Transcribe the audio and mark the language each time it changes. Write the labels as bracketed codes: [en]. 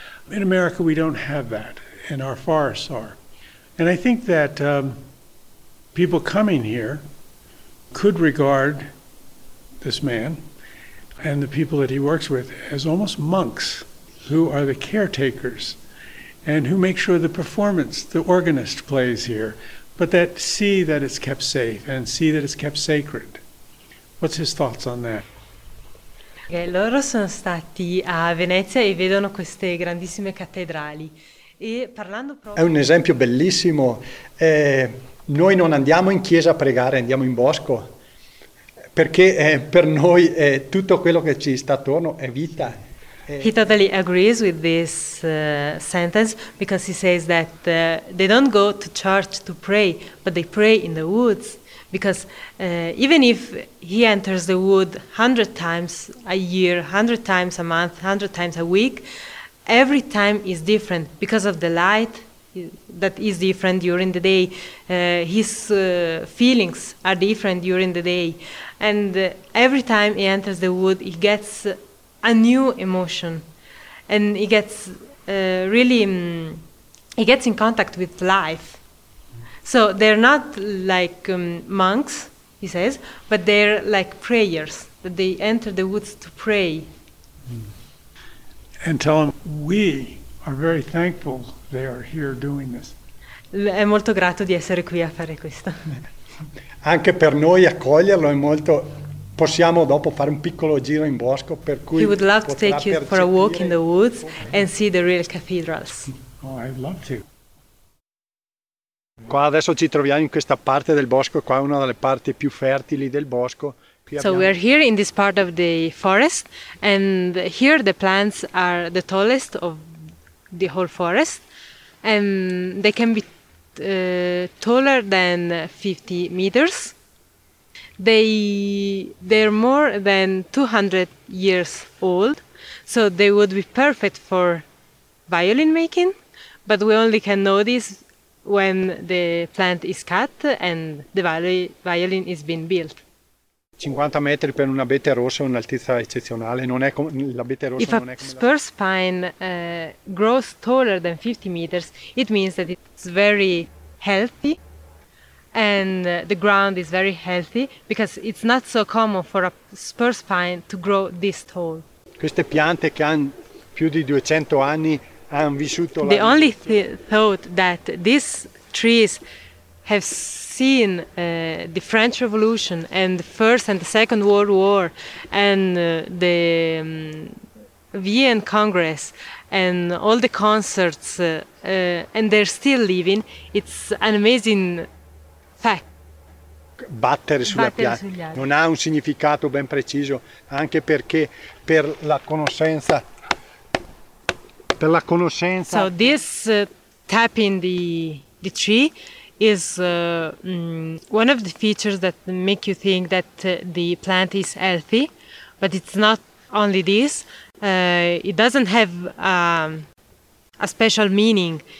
[en] In America, we don't have that, and our forests are. And I think that people coming here could regard this man and the people that he works with as almost monks who are the caretakers and who make sure the performance, the organist plays here, but that see that it's kept safe and see that it's kept sacred. What's his thoughts on that? [it] Okay, loro sono stati a Venezia e vedono queste grandissime cattedrali. E parlando proprio... È un esempio bellissimo. Noi non andiamo in chiesa a pregare, andiamo in bosco, perché per noi tutto quello che ci sta attorno è vita. [en] He totally agrees with this sentence because he says that they don't go to church to pray, but they pray in the woods. Because even if he enters the wood 100 times a year, 100 times a month, 100 times a week, every time is different because of the light that is different during the day. His feelings are different during the day. And every time he enters the wood, he gets a new emotion. And he gets he gets in contact with life. So they're not like monks, he says, but they're like prayers, that they enter the woods to pray. And tell them, we are very thankful they are here doing this. [it] È molto grato di essere qui a fare questo. Anche per noi accoglierlo è molto... Possiamo dopo fare un piccolo giro in bosco, per cui... [en] He would love to take you for a walk in the woods and see the real cathedrals. Oh, I'd love to. [it] Qua adesso ci troviamo in questa parte del bosco, qua è una delle parti più fertili del bosco. [en] So we are here in this part of the forest, and here the plants are the tallest of the whole forest, and they can be taller than 50 meters. They're more than 200 years old, so they would be perfect for violin making, but we only can know this when the plant is cut and the violin is being built. [it] 50 metri per un abete rosso è un'altezza eccezionale. Non è come l'abete rosso. [en] If a spur spine grows taller than 50 meters, it means that it's very healthy and the ground is very healthy, because it's not so common for a spur spine to grow this tall. [it] Queste piante che hanno più di 200 anni. [en] The only thought that these trees have seen the French Revolution and the First and the Second World War and the Vienna Congress and all the concerts, and they're still living. It's an amazing fact. [it] Battere sulla piazza non ha un significato ben preciso, anche perché per la conoscenza. [en] So this tapping the tree is one of the features that make you think that the plant is healthy, but it's not only this. It doesn't have a special meaning.